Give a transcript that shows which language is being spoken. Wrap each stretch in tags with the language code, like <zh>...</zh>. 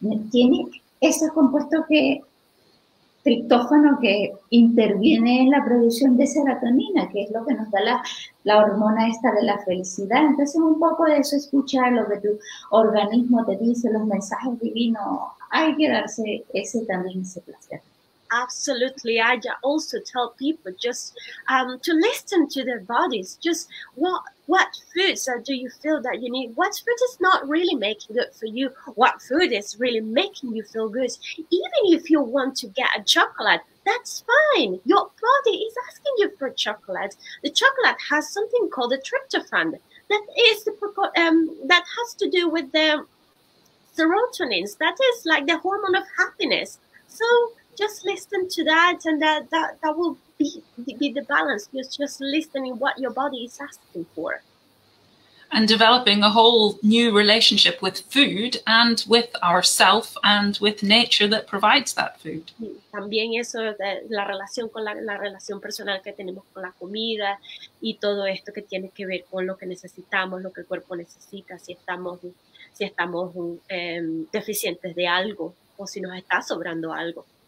<es>Tiene ese compuesto que triptófano que interviene en la producción de serotonina, que es lo que nos da la hormona esta de la felicidad. Entonces, un poco de eso, escuchar lo que tu organismo te dice, los mensajes divinos, hay que darse ese también, ese placer.</es> <en>Absolutely. I also tell people just to listen to their bodies. Just what foods do you feel that you need? What food is not really making good for you? What food is really making you feel good? Even if you want to get a chocolate, that's fine. Your body is asking you for chocolate. The chocolate has something called a tryptophan that is the that has to do with the serotonins. That is like the hormone of happiness. So just listen to that, and that will be the balance. Just listening what your body is asking for. And developing a whole new relationship with food and with ourself and with nature that provides that food.</en> <es>También eso de la relación con la relación personal que tenemos con la comida y todo esto que tiene que ver con lo que necesitamos, lo que el cuerpo necesita, si estamos deficientes de algo o si nos está sobrando algo.</es>